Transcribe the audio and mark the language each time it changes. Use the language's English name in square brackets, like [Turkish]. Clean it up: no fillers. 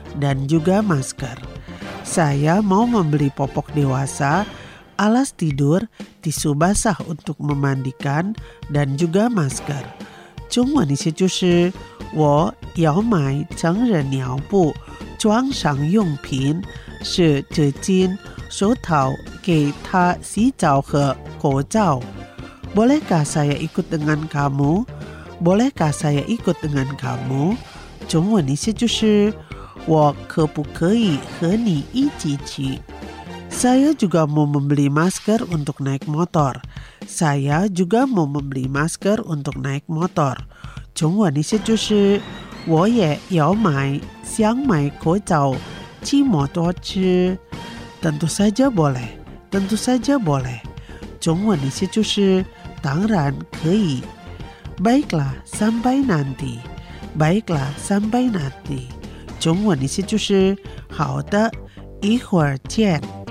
[Indonesian] dan juga masker. Saya mau membeli popok dewasa, alas tidur, tisu basah untuk memandikan, dan juga masker. [Chinese] 中文意思就是 我要买成人尿布, 装上用品, 湿纸巾, 手套, 给他洗澡和口罩。 [Indonesian] Bolehkah saya ikut dengan kamu? Bolehkah saya ikut dengan kamu? [Chinese] 中文意思就是 我可不可以和你一起去? [Indonesian] Saya juga mau membeli masker untuk naik motor. Saya juga mau membeli masker untuk naik motor. [Chinese] 中文意思就是 我也要买，想买口罩，骑摩托车。 [Indonesian] Tentu saja boleh, tentu saja boleh. [Chinese] 中文意思就是 当然可以。 [Indonesian] Baiklah, sampai nanti. Baiklah, sampai nanti. [Chinese] 中文意思就是 好的，一会儿见。